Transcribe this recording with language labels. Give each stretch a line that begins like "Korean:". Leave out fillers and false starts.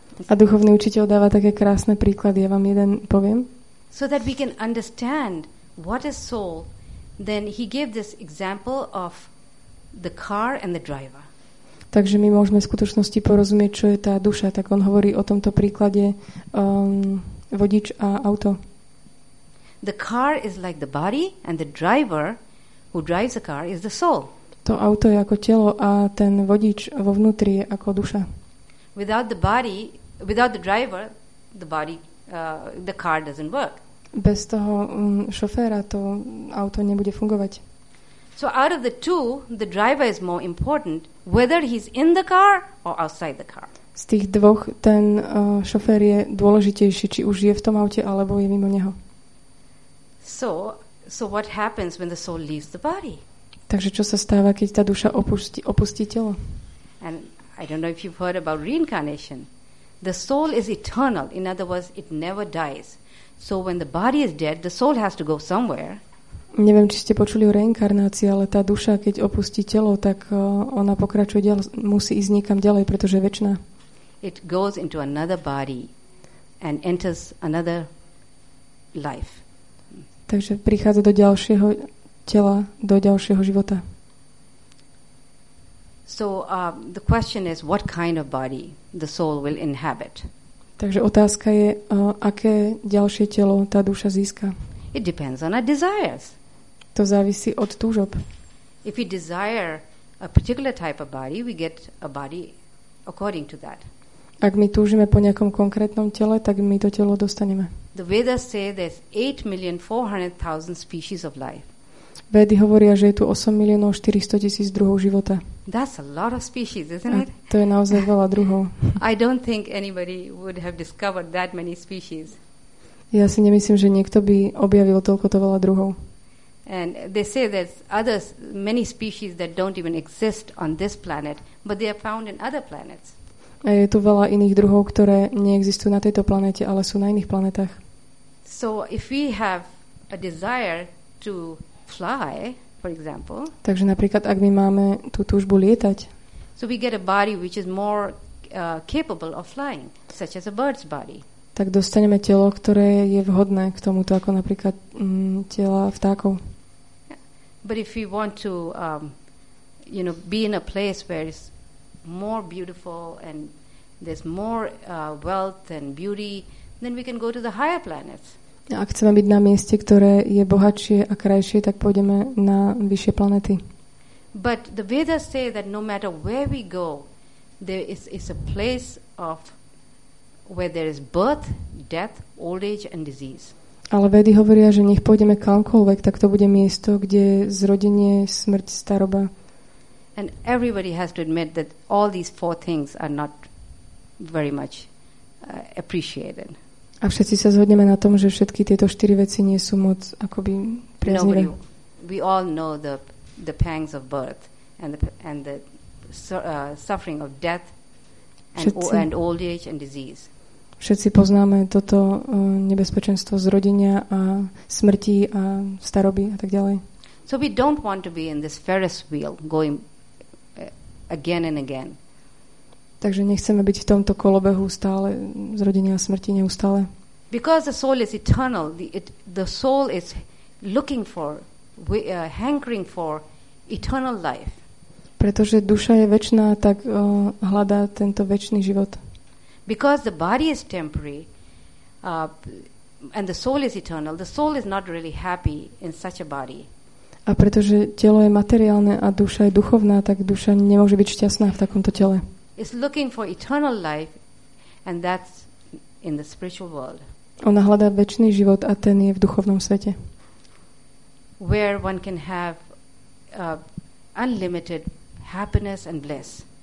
Slovak: A duchovný učiteľ dáva také krásne príklady. Ja vám jeden poviem.
English: So that we can understand what is soul, then he gave this example of the car and the driver.
Slovak: Takže my môžeme v skutočnosti porozumieť, čo je tá duša. Tak on hovorí o tomto príklade vodič a auto.
English: The car is like the body and the driver who drives the car is the soul.
Slovak: To auto je ako telo a ten vodič vo vnútri je ako duša.
English: Without the body, without the driver, the car doesn't work.
Slovak: Bez toho šoféra to auto nebude fungovať.
English: So out of the two, the driver is more important, whether he's in the car or outside the car.
Slovak: Z tých dvoch ten šofér je dôležitejší, či už je v tom aute alebo je mimo neho.
English: So what happens when the soul leaves the body?
Slovak: Takže čo sa stáva, keď tá duša opustí telo?
English: And I don't know if you've heard about reincarnation. The soul is eternal. In other words, it never dies. So when the body is dead, the soul has to go somewhere.
Slovak: Neviem, či ste počuli o reinkarnácii, ale tá duša, keď opustí telo, tak ona pokračuje ďalej, musí ísť niekam ďalej, pretože je večná.
English: It goes into another body and enters another life.
Slovak: Takže prichádza do ďalšieho tela, do ďalšieho života.
English: So the question is what kind of body the soul will inhabit.
Slovak: Takže otázka je, aké ďalšie telo tá duša získa.
English: It depends on our desires.
Slovak: To závisí od túžob.
English: If we desire a particular type of body, we get a body according to that.
Slovak: Ak my túžime po nejakom konkrétnom tele, tak my to telo dostaneme.
English: The Vedas say there's 8,400,000 species of life.
Slovak: Vedy hovoria, že je tu 8,400,000 druhov života.
English: That's a lot of species, isn't it?
Slovak: To je naozaj veľa druhov.
English: I don't think anybody would have discovered that many species.
Slovak: Ja si nemyslím, že niekto by objavil toľkoto veľa druhov.
English: And they say there's others, many species that don't even exist on this planet, but they are found in other planets.
Slovak: A je tu veľa iných druhov, ktoré neexistujú na tejto planete, ale sú na iných planetách.
English: So if we have a desire to fly, for example.
Slovak: Takže napríklad ak my máme tú túžbu lietať.
English: So we get a body which is more capable of flying, such as a bird's body.
Slovak: Tak dostaneme telo, ktoré je vhodné k tomuto, ako napríklad tela vtákov.
English: But if we want to you know, be in a place where it's more beautiful and there's more wealth and beauty, then we can go to the higher planets.
Slovak: Ak chceme byť na mieste, ktoré je bohatšie a krajšie, tak pôjdeme na vyššie planety.
English: But the Vedas say that no matter where we go, there is a place of where there is birth, death, old age and disease.
Slovak: Ale Vedy hovoria, že nech pôjdeme kamkoľvek, tak to bude miesto, kde zrodenie, smrť, staroba.
English: And everybody has to admit that all these four things are not very much appreciated.
Slovak: A všetci sa zhodneme na tom, že všetky tieto štyri veci nie sú moc akoby priaznivé.
English: We all know the pangs of birth and the suffering of death and old age and disease.
Slovak: Všetci poznáme toto nebezpečenstvo zrodenia a smrti a staroby a tak ďalej.
English: So we don't want to be in this Ferris wheel going again and again.
Slovak: Takže nechceme byť v tomto kolobehu stále zrodenia a smrti neustále.
English: Because the soul is eternal, the soul is looking for, hankering for eternal life.
Slovak: Pretože duša je večná, tak hľadá tento večný život.
English: Because the body is temporary and the soul is eternal, the soul is not really happy in such a body.
Slovak: A pretože telo je materiálne a duša je duchovná, tak duša nemôže byť šťastná v takomto tele.
English: It's looking for eternal life and that's in the spiritual world.
Slovak: Ona hľadá večný život a ten je v duchovnom svete.
English: Where one can have unlimited happiness and bliss.